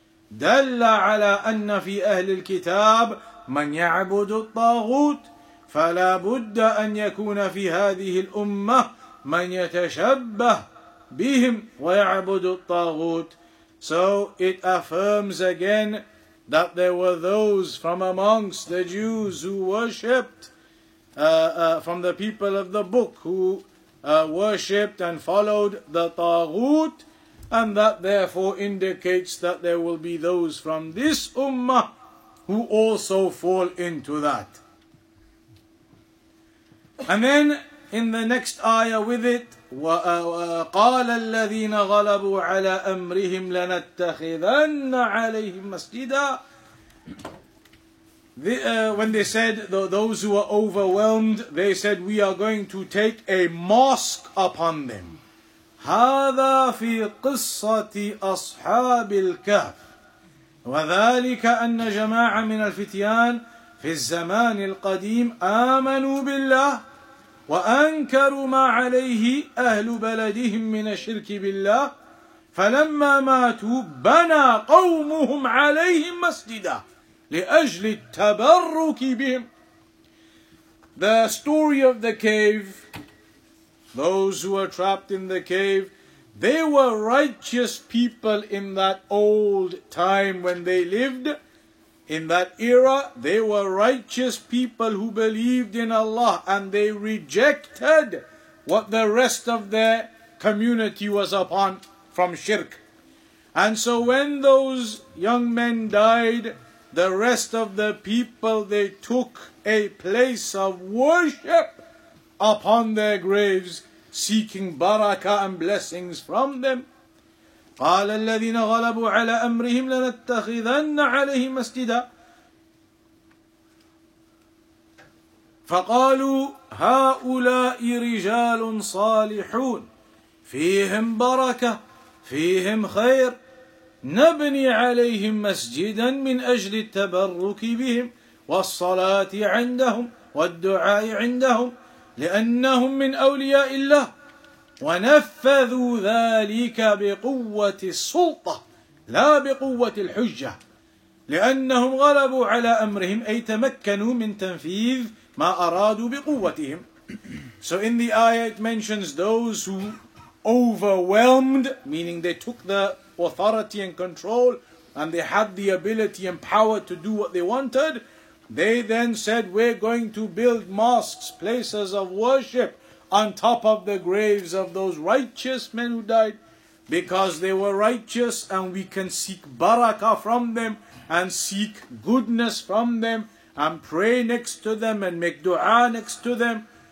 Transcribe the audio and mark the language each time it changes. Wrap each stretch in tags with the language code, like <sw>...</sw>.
<ar>دل على أن في أهل الكتاب من يعبد الطاغوت فلا بد أن يكون في هذه الأمة من يتشبه بهم ويعبد الطاغوت.</ar> <en>So it affirms again that there were those from amongst the Jews who worshipped from the people of the book who worshipped and followed the Taghut, and that therefore indicates that there will be those from this Ummah who also fall into that. And then in the next ayah with it,</en> <ar>وَقَالَ الَّذِينَ غَلَبُوا عَلَىٰ أَمْرِهِمْ لَنَتَّخِذَنَّ عَلَيْهِمْ مَسْجِدًا.</ar> <en>When they said, those who were overwhelmed, they said, we are going to take a mosque upon them.</en> <ar>هَذَا فِي قِصَّةِ أَصْحَابِ الْكَهْفِ وَذَلِكَ أَنَّ جَمَاعًا مِنَ الْفِتْيَانِ فِي الزَّمَانِ الْقَدِيمِ آمَنُوا بِاللَّهِ وأنكروا ما عليه أهل بلدهم من الشرك بالله فلما ماتوا بنى قومهم عليهم مسجدا لأجل التبرك بهم.</ar> <en>The story of the cave, those who were trapped in the cave, they were righteous people in that old time when they lived. In that era, they were righteous people who believed in Allah and they rejected what the rest of their community was upon from shirk. And so when those young men died, the rest of the people, they took a place of worship upon their graves, seeking barakah and blessings from them.</en> <ar>قال الذين غلبوا على أمرهم لنتخذن عليهم مسجدا فقالوا هؤلاء رجال صالحون فيهم بركة فيهم خير نبني عليهم مسجدا من أجل التبرك بهم والصلاة عندهم والدعاء عندهم لأنهم من أولياء الله وَنَفَّذُوا ذَٰلِكَ بِقُوَّةِ السُّلْطَةِ لَا بِقُوَّةِ الْحُجَّةِ لِأَنَّهُمْ غَلَبُوا عَلَىٰ أَمْرِهِمْ أَيْ تَمَكَّنُوا مِنْ تَنْفِيذِ مَا أَرَادُوا بِقُوَّتِهِمْ.</ar> <en>So in the ayah it mentions those who overwhelmed, meaning they took the authority and control and they had the ability and power to do what they wanted. They then said, we're going to build mosques, places of worship, on top of the graves of those righteous men who died, because they were righteous and we can seek barakah from them and seek goodness from them and pray next to them and make dua next to them.</en>